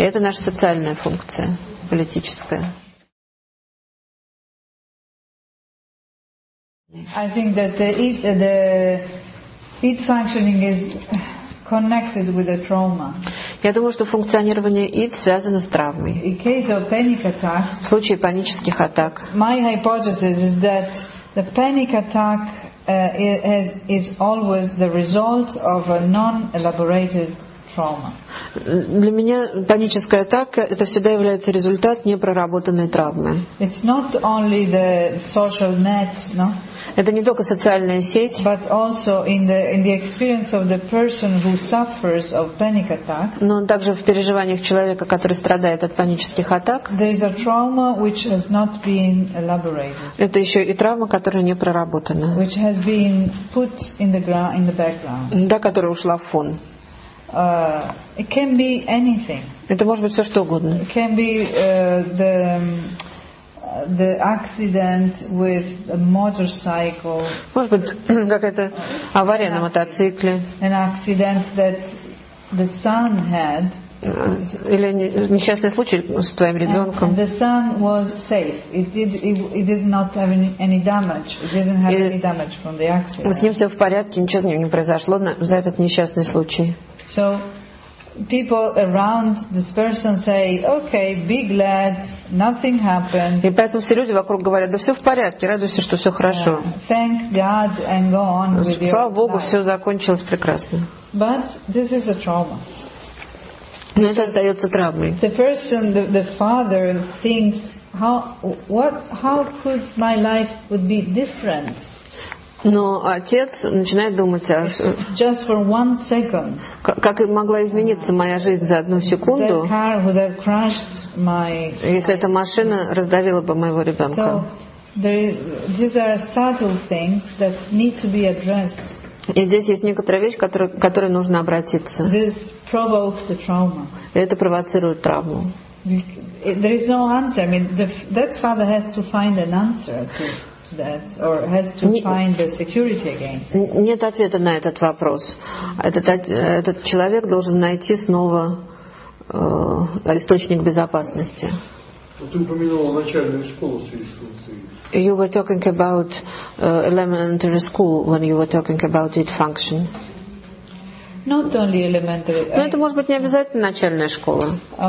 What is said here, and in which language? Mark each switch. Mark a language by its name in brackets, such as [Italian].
[Russian] И это наша социальная функция, политическая. [English] I think that the functioning is connected with the trauma. [Russian] Я думаю, что функционирование ид связано с травмой. [English] In case of panic attacks. [Russian] В случае панических атак. [English] My hypothesis is that the panic attack is always the result of a non-elaborated trauma. [Russian] Для меня паническая атака это всегда является результат непроработанной травмы. [English] It's not only the social net, no? [Russian] Это не только социальная сеть, [English] but also in the experience of the person who suffers of panic attacks. [Russian] Но также в переживаниях человека, который страдает от панических атак. [English] There is a trauma which has not been elaborated. [Russian] Это еще и травма, которая не проработана. [English] Which has been put in the background. [Russian] Да, которая ушла в фон. [English] It can be anything. [Russian] Это может быть все что угодно. [English] It can be the accident with a motorcycle. [Russian] Может быть какая-то авария на мотоцикле. [English] An accident that the son had. [Russian] Или несчастный случай с твоим ребенком. [English] And the son was safe. It did not have any damage. It didn't have any damage from the accident. [Russian] С ним все в порядке, ничего с ним не произошло за этот несчастный случай. [English] So people around this person say, okay, be glad, nothing happened. [Russian] И поэтому все люди вокруг говорят, да все в порядке, радуйся, что все хорошо. [English] Thank God and go on with your life. [Russian] Слава Богу, все закончилось прекрасно. [English] But this is a trauma. [Russian] Но это остается травмой. [English] The person, the father thinks, how could my life would be different? [Russian] Но отец начинает думать, [English] just for one second, [Russian] как могла измениться моя жизнь за одну секунду, [English] that car would have crushed my... [Russian] если эта машина раздавила бы моего ребенка. [English] So, These are subtle things that need to be addressed. [Russian] И здесь есть некоторая вещь, к которой нужно обратиться. [English] This provokes the trauma. [Russian] Это провоцирует травму. [English] There is no answer. I mean, that father has to find an answer to that, or has to find the security again. [Russian] Нет ответа на этот вопрос. Этот человек должен найти снова источник безопасности. Ты упомянула начальную школу сверхфункции. [English] You were talking about elementary school when you were talking about its function. Not only elementary. [Russian] Но это может быть не обязательно начальная школа.